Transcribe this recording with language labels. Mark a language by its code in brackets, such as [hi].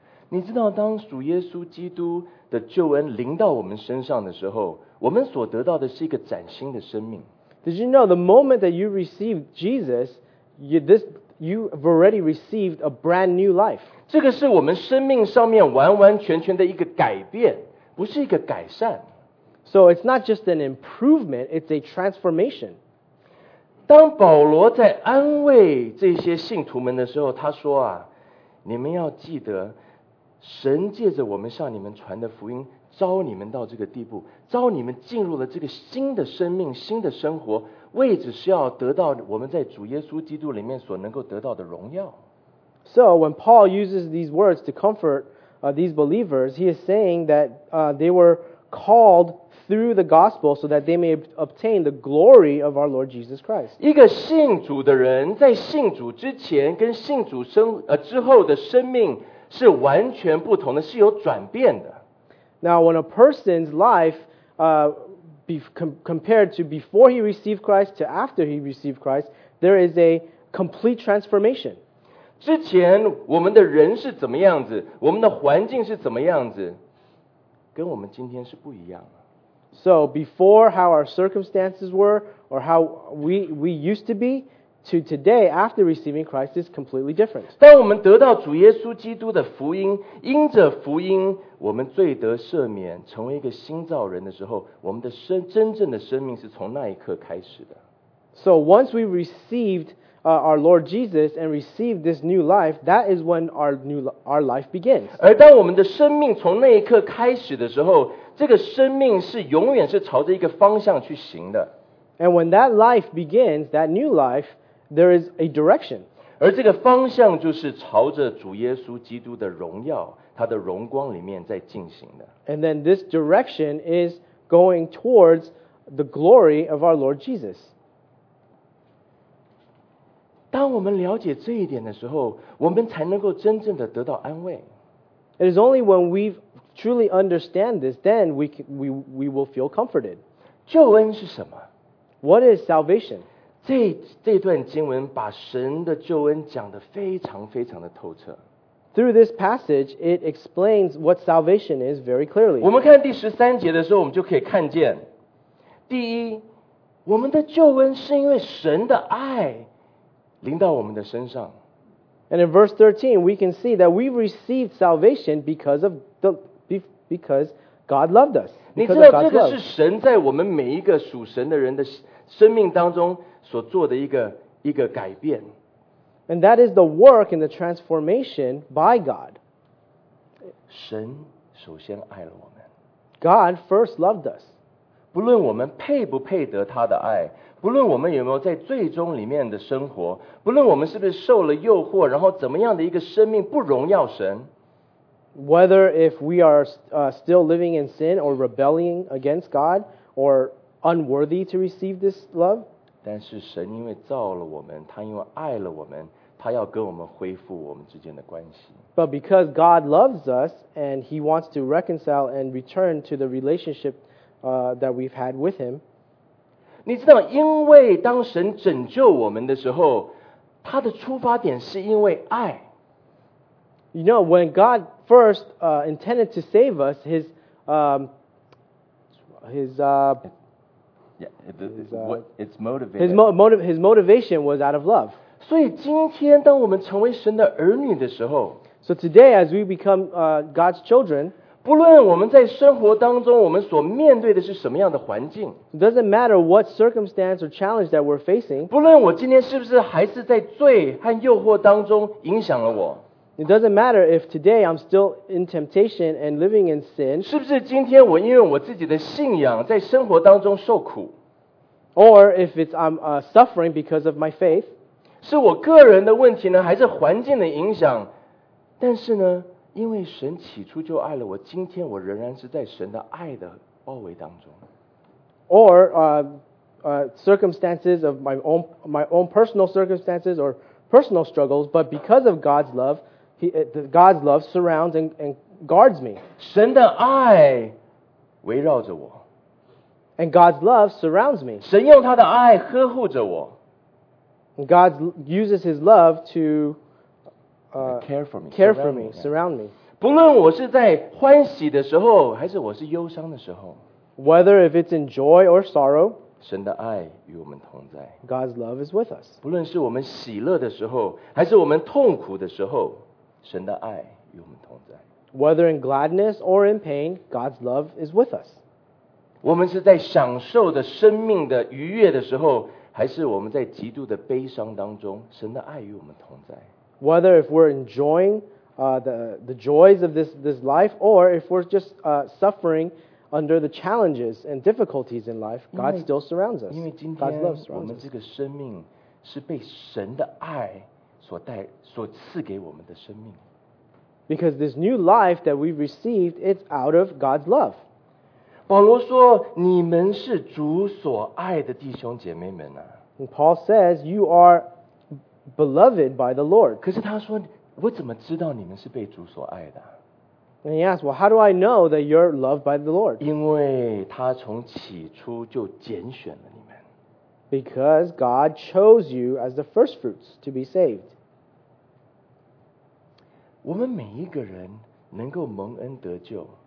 [zh] 你知道，当主耶稣基督的救恩临到我们身上的时候，我们所得到的是一个崭新的生命。 [en] Did you know the moment that you received Jesus, you've already received a brand new life? [zh] 这个是我们生命上面完完全全的一个改变，不是一个改善。 [en] So it's not just an improvement, it's a transformation. [zh] 当保罗在安慰这些信徒们的时候，他说啊，你们要记得，神借着我们向你们传的福音，招你们到这个地步，招你们进入了这个新的生命，新的生活，为只是要得到我们在主耶稣基督里面所能够得到的荣耀。 [en] So when Paul uses these words to comfort these believers, he is saying that they were called through the gospel so that they may obtain the glory of our Lord Jesus Christ. [zh] 一个信主的人在信主之前跟信主之后的生命是完全不同的，是有转变的。 [en] Now, when a person's life, compared to before he received Christ to after he received Christ, there is a complete transformation. [zh] 之前我们的人是怎么样子，我们的环境是怎么样子，跟我们今天是不一样的。 [en] So before how our circumstances were, or how we used to be, to today after receiving Christ is completely different. [zh] 当我们得到主耶稣基督的福音，因着福音我们罪得赦免，成为一个新造人的时候，我们的真正的生命是从那一刻开始的。 [en] So once we received our Lord Jesus and received this new life, that is when our life begins. [zh] 而当我们的生命从那一刻开始的时候，这个生命是永远是朝着一个方向去行的。 [en] And when that life begins, that new life, there is a direction. [zh] 而这个方向就是朝着主耶稣基督的荣耀，他的荣光里面在进行的。 [en] And then this direction is going towards the glory of our Lord Jesus. [zh] 当我们了解这一点的时候，我们才能够真正的得到安慰。 [en] It is only when we truly understand this, then we will feel comforted. [zh] 救恩是什么？ [en] What is salvation? [zh] 这段经文把神的救恩讲得非常非常的透彻。 [en] Through this passage, it explains what salvation is very clearly. [zh] 我们看第十三节的时候，我们就可以看见，第一，我们的救恩是因为神的爱临到我们的身上。 [en] And in verse 13, we can see that we received salvation because God loved us. [zh] 你知道这个是神在我们每一个属神的人的生命当中所做的一个改变。 [en] And that is the work and the transformation by God. [zh] 神首先爱了我们。 [en] God first loved us. [zh] 不论我们配不配得他的爱，不论我们有没有在罪中里面的生活，不论我们是不是受了诱惑，然后怎么样的一个生命不荣耀神。 [en] Whether if we are still living in sin or rebelling against God or unworthy to receive this love. [zh] 但是神因为造了我们，他因为爱了我们，他要跟我们恢复我们之间的关系。 [en] But because God loves us and he wants to reconcile and return to the relationship that we've had with him. [zh] 你知道因为当神拯救我们的时候，他的出发点是因为爱。 [en] You know, when God first intended to save us, his motivation was out of love. [zh] 所以今天当我们成为神的儿女的时候， [en] So today, as we become God's children, [zh] 不论我们在生活当中我们所面对的是什么样的环境， [en] It doesn't matter what circumstance or challenge that we're facing, [zh] 不论我今天是不是还是在罪和诱惑当中影响了我。 [en] It doesn't matter if today I'm still in temptation and living in sin. [zh] 是不是今天我因为我自己的信仰在生活当中受苦？ [en] Or if it's I'm suffering because of my faith. [zh] 是我个人的问题呢，还是环境的影响？但是呢，因为神起初就爱了我，今天我仍然是在神的爱的包围当中。 [en] Or circumstances of my own personal circumstances or personal struggles, but because of God's love,God's love surrounds and guards me. [zh] 神的爱围绕着我。 [en] And God's love surrounds me. [zh] 神用他的爱呵护着我。 [en] And God uses his love to care for me, care for me, surround me. [zh] 不论我是在欢喜的时候，还是我是忧伤的时候。 [en] Whether if it's in joy or sorrow, [zh] 神的爱与我们同在。 [en] God's love is with us. [zh] 不论是我们喜乐的时候，还是我们痛苦的时候，神的爱与我们同在。 [en] Whether in gladness or in pain, God's love is with us. [zh] 我们是在享受的生命的愉悦的时候，还是我们在极度的悲伤当中，神的爱与我们同在。 [en] Whether if we're enjoying the joys of this life, or if we're just suffering under the challenges and difficulties in life, God still surrounds us. God's love surrounds us. [zh] 我们这个生命是被神的爱所赐给我们的生命。 [en] Because this new life that we've received, it's out of God's love. [zh] 保罗说，你们是主所爱的弟兄姐妹们啊。 [en] And Paul says, you are beloved by the Lord. [zh] 可是他说，我怎么知道你们是被主所爱的？ [en] And he asked, well, how do I know that you're loved by the Lord? [zh] 因为他从起初就拣选了你们。 [en] Because God chose you as the first fruits to be saved. [zh] 我们每一个人能够蒙恩得救。